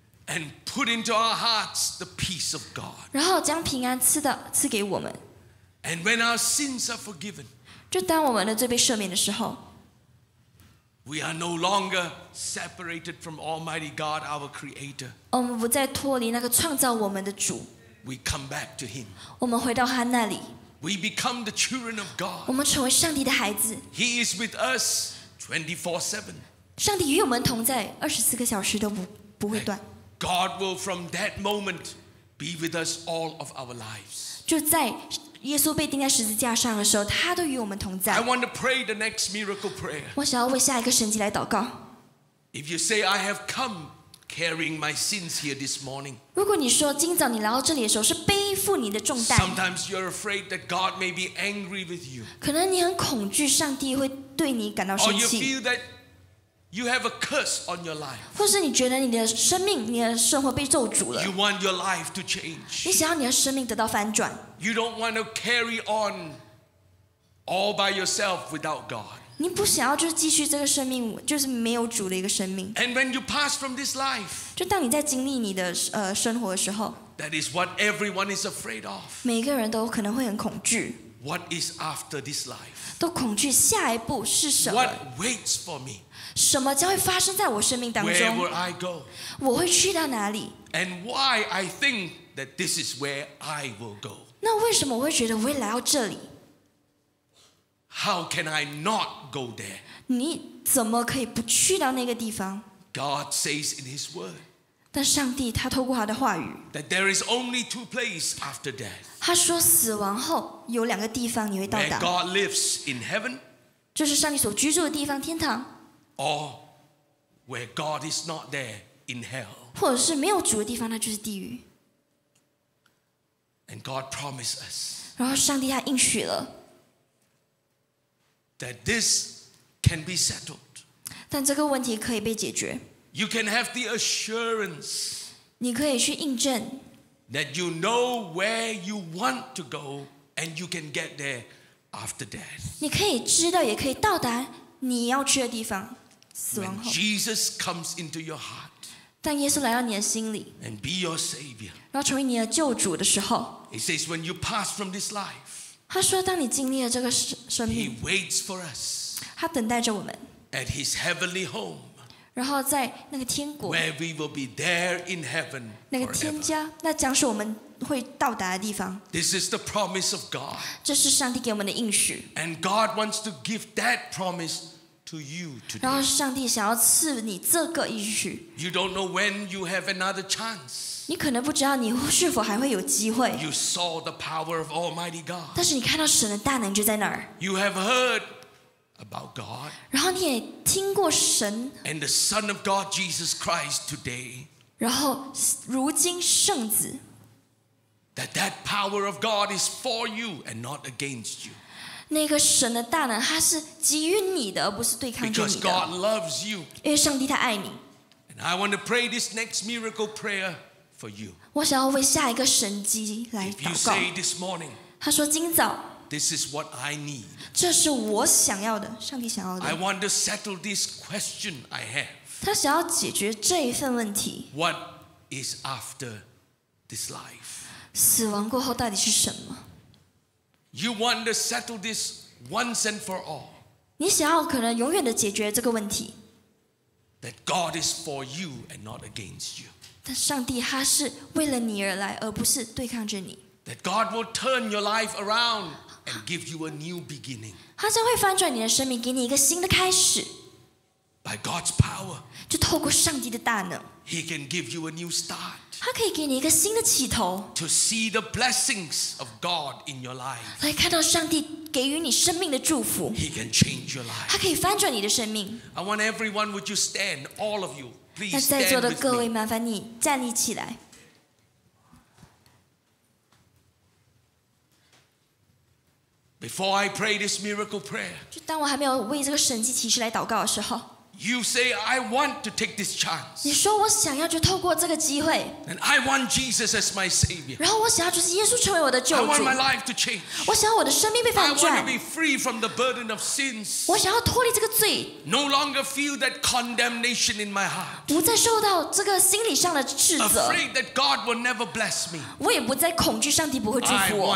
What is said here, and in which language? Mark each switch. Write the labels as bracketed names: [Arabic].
[English] And put into our hearts the peace of God. [Chinese] 然后将平安赐给我们。 [English] And when our sins are forgiven, [Chinese] 就当我们的罪被赦免的时候， [English] we are no longer separated from Almighty God, our Creator. [Chinese] 我们不再脱离那个创造我们的主。 [English] We come back to Him. [Chinese] 我们回到他那里。 [English] We become the children of God. [Chinese] 我们成为上帝的孩子。 [English] He is with us 24/7. [Chinese] 上帝与我们同在，二十四个小时都不会断。 [English] God will from that moment be with us all of our lives. [Chinese] 就在耶稣被钉在十字架上的时候，他都与我们同在。 [English] I want to pray the next miracle prayer. [Chinese] 我想要为下一个神迹来祷告。 [English] If you say I have come carrying my sins here this morning, [Chinese] 如果你说今早你来到这里的时候是背负你的重担。 [English] Sometimes you're afraid that God may be angry with you. [Chinese] 可能你很恐惧上帝会对你感到生气。 [English] Or you feel that you have a curse on your life. [Chinese] 或是你觉得你的生命、你的生活被咒诅了。 [English] You want your life to change. [Chinese] 你想要你的生命得到翻转。 [English] You don't want to carry on all by yourself without God. [Chinese] 你不想要就是继续这个生命，就是没有主的一个生命。 [English] And when you pass from this life, [Chinese] 就当你在经历你的生活的时候 [English] ，That is what everyone is afraid of. [Chinese] 每个人都可能会很恐惧。 [English] What is after this life? [Chinese] 都恐惧下一步是什么 [English] ？What waits for me? [Chinese] 什么将会发生在我生命当中 [English] ？Where will I go? [Chinese] 我会去到哪里 [English] ？And why I think that this is where I will go? [Chinese] 那为什么我会觉得我会来到这里 [English] ？How can I not go there? [Chinese] 你怎么可以不去到那个地方 [English] ？God says in His Word. [Chinese] 但上帝他透过他的话语 [English] ，That there is only two places after death. [Chinese] 他说死亡后有两个地方你会到达 [English] ，Where God lives in heaven. [Chinese] 就是上帝所居住的地方，天堂。 [English] Or where God is not there in hell. [Chinese] 或者是没有主的地方，那就是地狱。 [English] And God promised us. [Chinese] 然后上帝他应许了。 [English] That this can be settled. [Chinese] 但这个问题可以被解决。 [English] You can have the assurance. [Chinese] 你可以去印证。 [English] That you know where you want to go and you can get there after death. [Chinese] 你可以知道也可以到达你要去的地方。 [English] When Jesus comes into your heart, [Chinese] 但耶稣来到你的心里 [English] and be your savior, [Chinese] 然后成为你的救主的时候 [English] he says when you pass from this life, [Chinese] 他说当你经历了这个生命 [English] he waits for us, [Chinese] 他等待着我们 [English] at his heavenly home, [Chinese] 然后在那个天国 [English] where we will be there in heaven, [Chinese] 那个天家那将是我们会到达的地方 [English] this is the promise of God, [Chinese] 这是上帝给我们的应许 [English] and God wants to give that promise. To you today. [Chinese] 然后上帝想要赐你这个应许。 [English] You don't know when you have another chance. [Chinese] 你可能不知道你是否还会有机会。 [English] You saw the power of Almighty God. [Chinese] 但是你看到神的大能就在那儿。 [English] You have heard about God. [Chinese] 然后你也听过神。 [English] And the Son of God, Jesus Christ, today. [Chinese] 然后如今圣子。 [English] That power of God is for you and not against you. [Chinese] 那个神的大能，他是给予你的，而不是对抗着你的。 [English] Because God loves you. [Chinese] 因为上帝他爱你。 [English] And I want to pray this next miracle prayer for you. [Chinese] 我想要为下一个神迹来祷告。 [English] If you say this morning, [Chinese] 他说今早。 [English] This is what I need. [Chinese] 这是我想要的，上帝想要的。 [English] I want to settle this question I have. [Chinese] 他想要解决这一份问题。 [English] What is after this life? [Chinese] 死亡过后到底是什么？ [English] You want to settle this once and for all. [Chinese] 你想要可能永远的解决这个问题。 [English] That God is for you and not against you. [Chinese] 但上帝他是为了你而来，而不是对抗着你。 [English] That God will turn your life around and give you a new beginning. [Chinese] 他将会翻转你的生命，给你一个新的开始。 [English] By God's power. [Chinese] 就透过上帝的大能。 [English] He can give you a new start. [Chinese] 他可以给你一个新的起头。 [English] To see the blessings of God in your life. [Chinese] 来看到上帝给予你生命的祝福。 [English] He can change your life. [Chinese] 他可以翻转你的生命。 [English] I want everyone, would you stand, all of you, please stand with [Chinese] 那在座的各位，麻烦你站立起来。 [English] Before I pray this miracle prayer. [Chinese] 就当我还没有为这个神迹奇事来祷告的时候。 [English] You say, I want to take this chance. [Chinese] 你说我想要就透过这个机会。 [English] And I want Jesus as my Savior. [Chinese] 然后我想要就是耶稣成为我的救主。 [English] I want my life to change. [Chinese] 我想要我的生命被翻转。 [English] I want to be free from the burden of sins. [Chinese] 我想要脱离这个罪。 [English] No longer feel that condemnation in my heart. [Chinese] 不再受到这个心理上的斥责。 [English] Afraid that God will never bless me. [Chinese] 我也不再恐惧上帝不会祝福我。